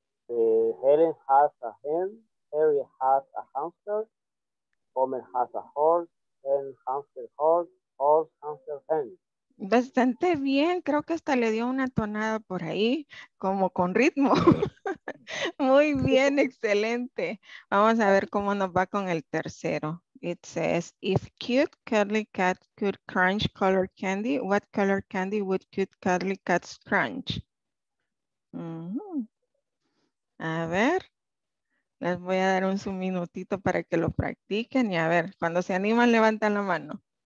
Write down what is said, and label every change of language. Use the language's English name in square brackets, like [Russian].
[English] Helen has a hen, Harry has a hamster, Homer has a horse, hen, hamster, horse, hamster, hen. [Spanish] Bastante bien, creo que hasta le dio una tonada por ahí, como con ritmo. Muy bien, excelente. Vamos a ver cómo nos va con el tercero. [English] It says, if cute cuddly cat could crunch color candy, what color candy would cute cuddly cat crunch? Uh-huh. [Spanish] A ver, les voy a dar un minutito para que lo practiquen y a ver, cuando se animan levantan la mano.